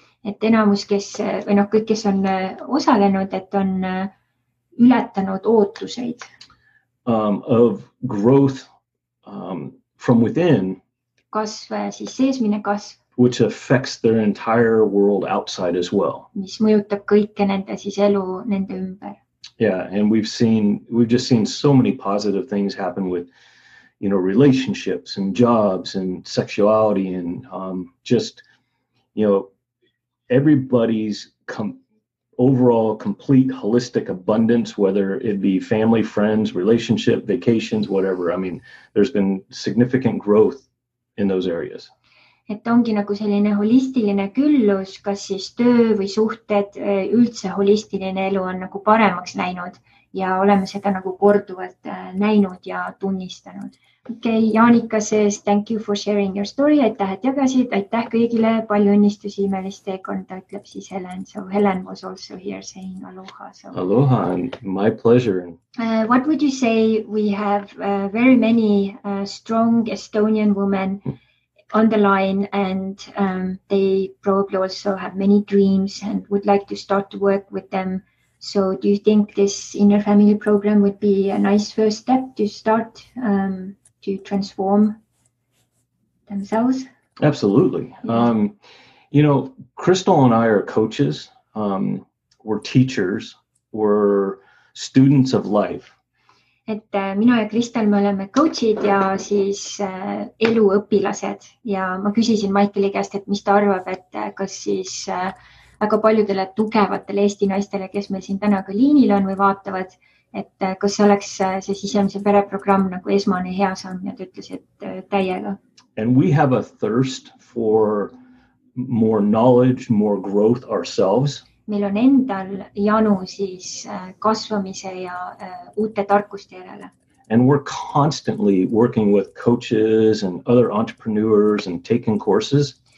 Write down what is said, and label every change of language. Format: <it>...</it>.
<et>Et enamus, kes, või noh, kõik, kes on osalenud, et on ületanud ootuseid.</et> <en>Of growth from within.</en> <et>Kasv, siis seesmine kasv.</et> <en>Which affects their entire world outside as well.</en> <et>Mis mõjutab kõike nende siis elu nende ümber.</et> <en>Yeah, and we've just seen so many positive things happen with, you know, relationships and jobs and sexuality and just, you know, everybody's overall complete holistic abundance, whether it be family, friends, relationship, vacations, whatever. I mean, there's been significant growth in those areas.</en> <et>Et ongi nagu selline holistiline küllus, kas siis töö või suhted, üldse holistiline elu on nagu paremaks läinud ja oleme seda nagu korduvalt näinud ja tunnistanud.</et> <en>Okei, okay, Jaanika says, thank you for sharing your story.</en> <et>Aitäh, et jagasid. Aitäh kõigile. Palju õnnistusi imelist teekonda, ütleb siis Helen.</et> <en>So Helen was also here saying aloha. So. Aloha, my pleasure. What would you say? We have very many strong Estonian women on the line and they probably also have many dreams and would like to start to work with them. So do you think this inner family program would be a nice first step to start to transform themselves? Absolutely. You know, Crystal and I are coaches, we're teachers, we're students of life.</en> <et>Et mina ja Kristel, me oleme coachid ja siis eluõpilased. Ja ma küsisin Maikeli käest, et mis ta arvab, et kas siis väga paljudele tugevatele Eesti naistele, kes meil siin täna ka liinil on või vaatavad, et kas see oleks see sisemise pereprogramm nagu esmane hea samm ja tõtlesi, et täiega.</et> <en>And we have a thirst for more knowledge, more growth ourselves.</en> <et>Meil on endal janu siis kasvamise ja uute tarkuste järele.</et> <en>And we're constantly working with coaches and other entrepreneurs and taking courses.</en>